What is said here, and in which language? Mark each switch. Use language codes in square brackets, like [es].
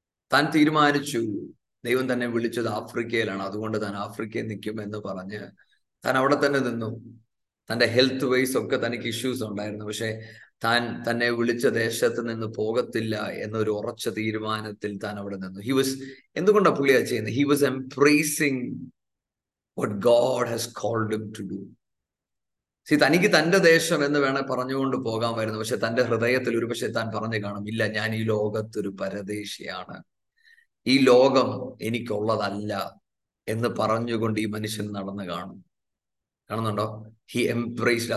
[ml] താൻ തീരുമാനിച്ചു, ദൈവം തന്നെ വിളിച്ചത് ആഫ്രിക്കയിലാണ്, അതുകൊണ്ട് താൻ ആഫ്രിക്കയിൽ നിൽക്കും എന്ന് പറഞ്ഞ് താൻ അവിടെ തന്നെ നിന്നു. തൻ്റെ ഹെൽത്ത് വൈസ് ഒക്കെ തനിക്ക് ഇഷ്യൂസ് ഉണ്ടായിരുന്നു, പക്ഷെ താൻ തന്നെ വിളിച്ച ദേശത്ത് നിന്ന് പോകത്തില്ല എന്നൊരു ഉറച്ച തീരുമാനത്തിൽ താൻ അവിടെ നിന്നു. [en] he was [ml] എന്തുകൊണ്ടാണ് പുള്ളിയാ ചെയ്യുന്നത്? [en] He was embracing what God has called him to do. [ml] See, തനിക്ക് തന്റെ ദേശം എന്ന് വേണേ പറഞ്ഞുകൊണ്ട് പോകാൻ വരുന്നു, പക്ഷെ തന്റെ ഹൃദയത്തിൽ ഒരു പക്ഷെ താൻ പറഞ്ഞു കാണും, ഇല്ല, ഞാൻ ഈ ലോകത്തൊരു പരദേശിയാണ്, ഈ ലോകം എനിക്കുള്ളതല്ല എന്ന് പറഞ്ഞുകൊണ്ട് ഈ മനുഷ്യൻ നടന്നു കാണും. കാണുന്നുണ്ടോ? [en] He embraced.